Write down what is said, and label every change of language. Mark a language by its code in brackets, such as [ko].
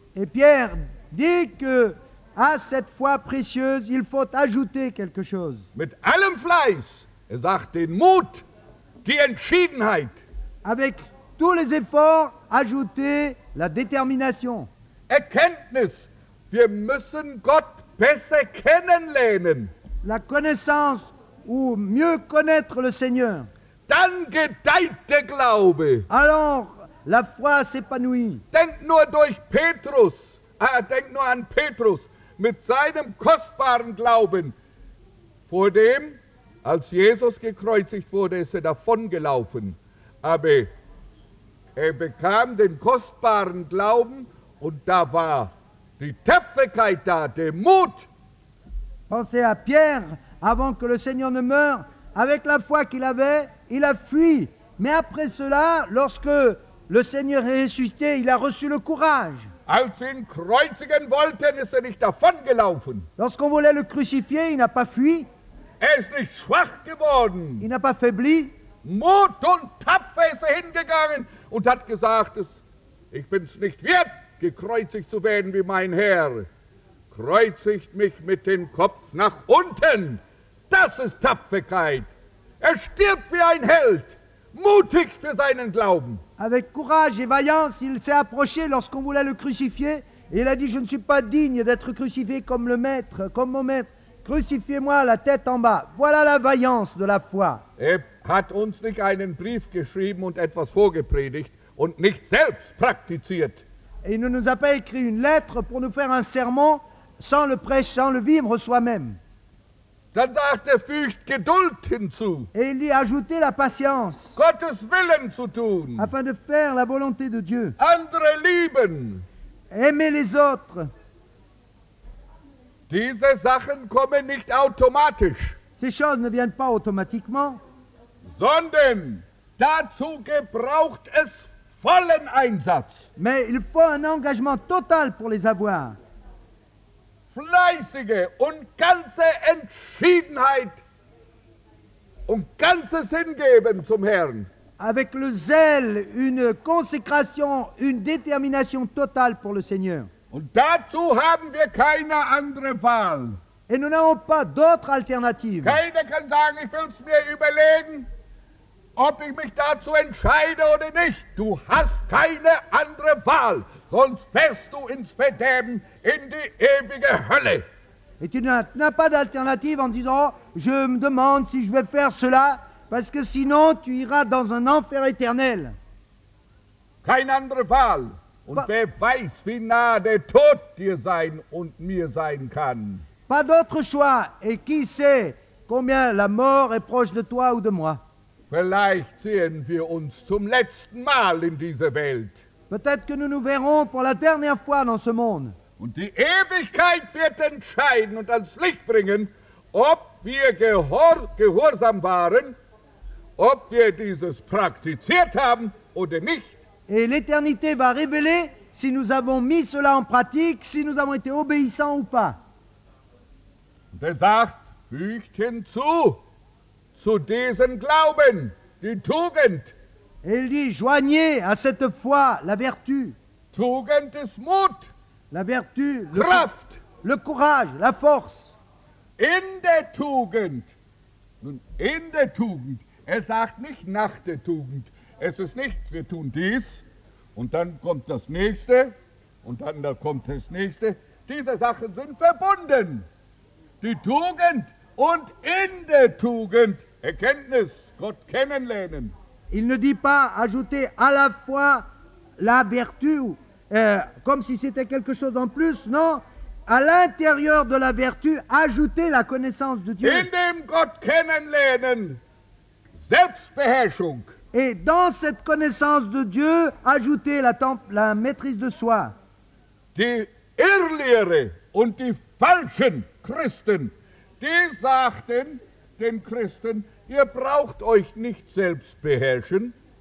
[fr] Et Pierre dit que à cette foi précieuse, il faut ajouter quelque chose. [de] Mit allem Fleiß, sagt den Mut, die Entschiedenheit. [fr] Avec tous les efforts, ajouter la détermination. [de] Erkenntnis. Wir müssen Gott besser kennenlernen. [fr] La connaissance ou mieux connaître le Seigneur. [de] Dann gedeiht der Glaube. [fr] Alors, la foi s'épanouit. [de] Denk nur an Petrus mit seinem kostbaren Glauben. Vor dem, als Jesus gekreuzigt wurde, ist davongelaufen. Aber bekam den kostbaren Glauben. Und da war die Tapferkeit da, der Mut. [fr] Pensez à Pierre, avant que le Seigneur ne meure, avec la foi qu'il avait, il a fui. Mais après cela, lorsque le Seigneur est ressuscité, il a reçu le courage. [de] Als sie ihn kreuzigen wollten, ist er nicht davongelaufen. [fr] Lorsqu'on voulait le crucifier, il n'a pas fui. [de] Er ist nicht schwach geworden. [fr] Il n'a pas faibli. [de] Mut und tapfer ist er hingegangen und hat gesagt, ich bin's nicht wert, gekreuzigt zu werden wie mein Herr. Kreuzigt mich mit dem Kopf nach unten. Das ist Tapferkeit. Er stirbt wie ein Held, mutig für seinen Glauben. [fr] Avec courage et vaillance, il s'est approché lorsqu'on voulait le crucifier. Et il a dit, je ne suis pas digne d'être crucifié comme le maître, comme mon maître. Crucifiez-moi la tête en bas. Voilà la vaillance de la foi. [de] Er hat uns nicht einen Brief geschrieben und etwas vorgepredigt und nicht selbst praktiziert. [fr] Et il ne nous a pas écrit une lettre pour nous faire un sermon sans le prêcher, sans le vivre soi-même. [de] Dann sagt er, fügt Geduld hinzu. [fr] Et il y a ajouté la patience. [de] Gottes Willen zu tun. [fr] Afin de faire la volonté de Dieu. [de] Andere lieben. [fr] Aimer les autres. [de] Diese Sachen kommen nicht automatisch. [fr] Ces choses ne viennent pas automatiquement. [de] Sondern dazu gebraucht es vollen Einsatz. [fr] Mais il faut un engagement total pour les avoir. [de] Fleißige und ganze Entschiedenheit und ganzes Hingeben zum Herrn. [fr] Avec le zèle, une consécration, une détermination totale pour le Seigneur. [de] Und dazu haben wir keine andere Wahl. [fr] Et nous n'avons pas d'autre alternative. [de] Keiner kann sagen, ich will es mir überlegen, ob ich mich dazu entscheide oder nicht. Du hast keine andere Wahl, sonst fährst du ins Verderben, in die ewige Hölle. [fr] Et tu n'as pas d'alternative en disant, oh, je me demande si je vais faire cela, parce que sinon tu iras dans un enfer éternel. [de] Keine andere Wahl. Und wer weiß, wie nah der Tod dir sein und mir sein kann. [fr] Pas d'autre choix. Et qui sait combien la mort est proche de toi ou de moi. [de] Vielleicht sehen wir uns zum letzten Mal in dieser Welt. [fr] Peut-être que nous nous verrons pour la dernière fois dans ce monde. [de] Und die Ewigkeit wird entscheiden und ans Licht bringen, ob wir gehorsam waren, ob wir dieses praktiziert haben oder nicht. [fr] Et l'éternité va révéler si nous avons mis cela en pratique, si nous avons été obéissants ou pas. [de] Und er sagt, fügt hinzu zu diesem Glauben, die Tugend. [fr] Et il dit, joignez à cette foi la vertu. [de] Tugend ist Mut. [fr] La vertu, [de] Kraft. [fr] Le courage, la force. [de] In der Tugend. Nun, in der Tugend. Er sagt nicht nach der Tugend. Es ist nicht, wir tun dies und dann kommt das Nächste und dann da kommt das Nächste. Diese Sachen sind verbunden. Die Tugend und in der Tugend Erkenntnis, Gott kennenlernen. [fr] Il ne dit pas ajouter à la fois la vertu, comme si c'était quelque chose en plus, non. À l'intérieur de la vertu, ajouter la connaissance de Dieu. [de] In dem Gott kennenlernen, Selbstbeherrschung. [fr] Et dans cette connaissance de Dieu, ajouter la maîtrise de soi. [de] Die Irrlehre und die falschen Christen, die sagten den Christen, ihr braucht euch nicht selbst beherrschen.